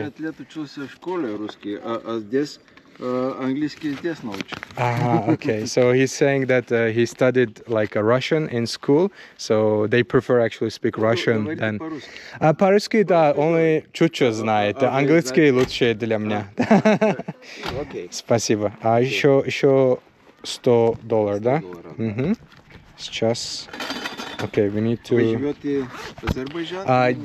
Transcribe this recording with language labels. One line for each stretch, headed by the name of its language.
Russian: Я 9 лет учился в школе русский, а здесь английский здесь научил. Ага, окей.
English: So he's saying that he studied like a Russian in school, so they prefer actually speak Russian than...
Russian: А по-русски, да, only чуть-чуть знает. Английский лучше для меня. Окей. Спасибо. А еще $100, да? Mm-hmm. Сейчас...
English: Okay, we need to...
Russian: Вы живете в Азербайджане?